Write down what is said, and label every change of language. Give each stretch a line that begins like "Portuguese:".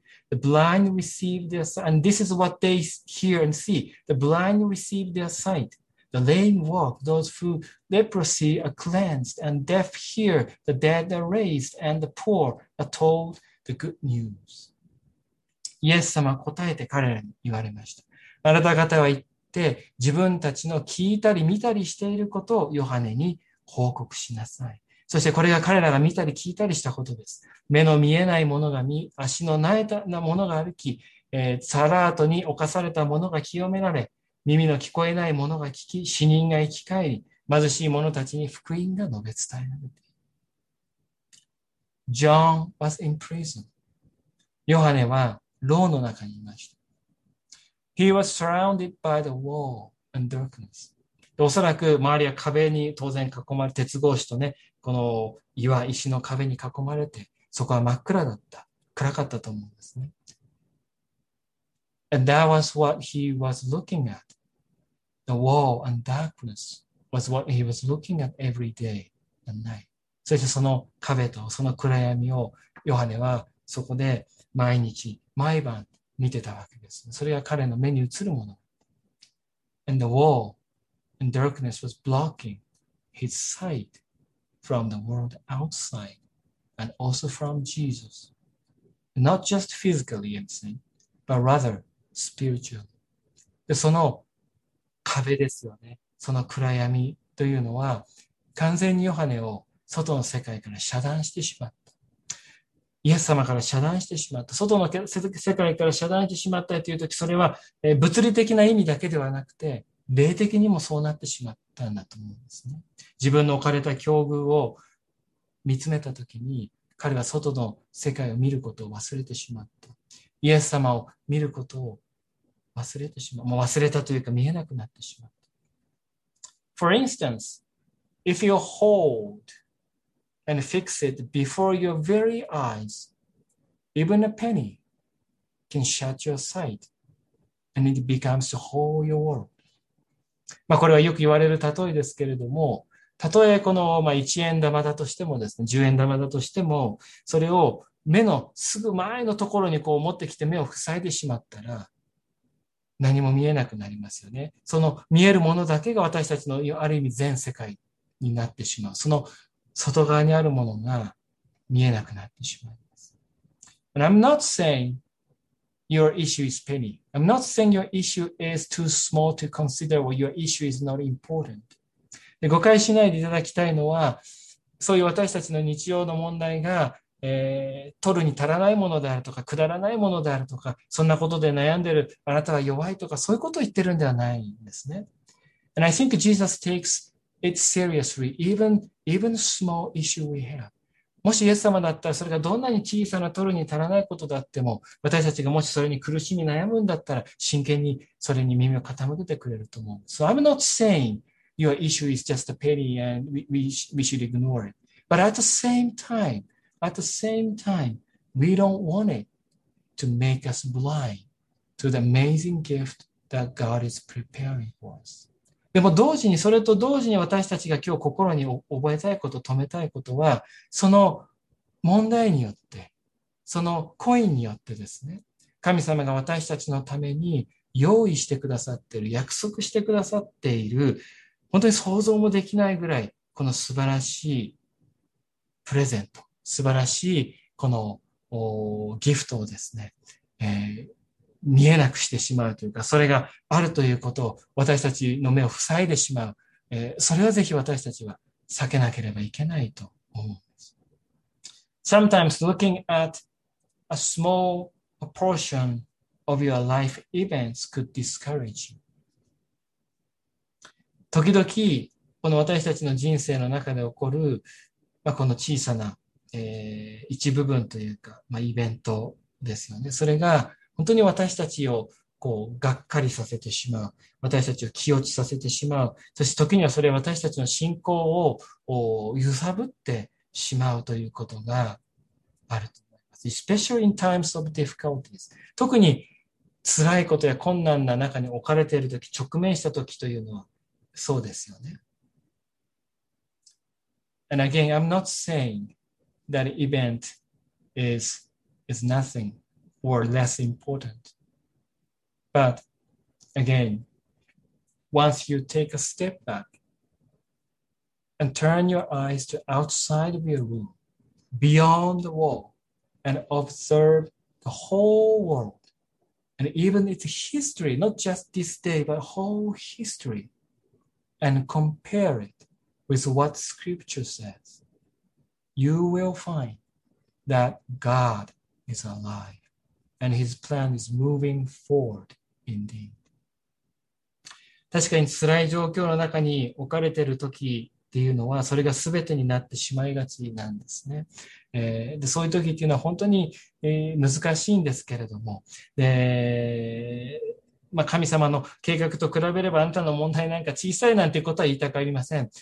English: The blind receive their sight, and this is what they hear and see. The blind receive their sight. The lame walk. Those who leprosy are cleansed, and deaf hear. The dead are raised, and the poor are told the good news.
Japanese: イエス様は答えて彼らに言われました。あなた方は言って、自分たちの聞いたり見たりしていることをヨハネに報告しなさい。そしてこれが彼らが見たり聞いたりしたことです。目の見えないものが見、足のなえたなものが歩き、サラートに侵されたものが清められ、耳の聞こえないものが聞き、死人が生き返り、貧しい者たちに福音が述べ伝えられている。
English: John was in prison.
Japanese: ヨハネは牢の中にいました。
English: He was surrounded by the wall and darkness.
Japanese: おそらく周りは壁に当然囲まれ、鉄格子とね、この岩、石の壁に囲まれて、そこは真っ暗だった。暗かったと思うんですね。
English: And that was what he was looking at. The wall and darkness was what he was looking at every day and night.
Japanese: そしてその壁とその暗闇をヨハネはそこで毎日、毎晩見てたわけです。それが彼の目に映るもの。
English: And the wall and darkness was blocking his sight from the world outside. And also from Jesus. Not just physically, I'm saying, but rather spiritually.
Japanese: で、その壁ですよね。その暗闇というのは、完全にヨハネを外の世界から遮断してしまった。イエス様から遮断してしまった。外の世界から遮断してしまったというとき、それは物理的な意味だけではなくて、霊的にもそうなってしまったんだと思うんですね。自分の置かれた境遇を見つめたときに彼は外の世界を見ることを忘れてしまった。イエス様を見ることを忘れてしまう。もう忘れたというか見えなくなってしまった。
English: For instance, if you hold and fix it before your very eyes, even a penny can shut your sight and it becomes the whole your world.
Japanese: まあこれはよく言われる例えですけれども、たとえこの1円玉だとしてもですね、10円玉だとしても、それを目のすぐ前のところにこう持ってきて目を塞いでしまったら、何も見えなくなりますよね。その見えるものだけが私たちのある意味全世界になってしまう。その外側にあるものが見えなくなってしまいます。
English: And I'm not saying your issue is penny. I'm not saying your issue is too small to consider or your issue is not important.
Japanese: で誤解しないでいただきたいのは、そういう私たちの日常の問題が、取るに足らないものであるとか、くだらないものであるとか、そんなことで悩んでるあなたは弱いとか、そういうことを言ってるんではないんですね。
English: And I think Jesus takes it seriously, even small issue we have.
Japanese: もしイエス様だったら、それがどんなに小さな取るに足らないことだっても、私たちがもしそれに苦しみ悩むんだったら、真剣にそれに耳を傾けてくれると思う。
English: So I'm not saying your issue is just a pity and we should ignore it. But at the same time, we don't want it to make us blind to the amazing gift that God is preparing for us.
Japanese: でも同時に、それと同時に私たちが今日心に覚えたいこと、止めたいことは、その問題によって、そのコインによってですね、神様が私たちのために用意してくださっている、約束してくださっている、本当に想像もできないぐらい、この素晴らしいプレゼント、素晴らしいこのギフトをですね、見えなくしてしまうというか、それがあるということを私たちの目を塞いでしまう。それはぜひ私たちは避けなければいけないと思うんです。
English: Sometimes looking at a small portion of your life events could discourage you.
Japanese: 時々、この私たちの人生の中で起こる、この小さな、一部分というか、イベントですよね。それが本当に私たちをこうがっかりさせてしまう。私たちを気落ちさせてしまう。そして時にはそれは私たちの信仰を揺さぶってしまうということがあると思います。
English: Especially in times of difficulties.
Japanese: 特に辛いことや困難な中に置かれているとき、直面したときというのはそうですよね。
English: And again, I'm not saying that event is nothing. Or less important. But again, once you take a step back and turn your eyes to outside of your room, beyond the wall, and observe the whole world and even its history, not just this day, but whole history, and compare it with what scripture says, you will find that God is alive. And his plan is moving forward indeed.
Japanese: 確かに辛い状況の中に置かれている時っていうのは、それが全てになってしまいがちなんですね。でそういう時っていうのは本当に、難しいんですけれども、で神様の計画と比べればあなたの問題なんか小さいなんていうことは言いたくありません。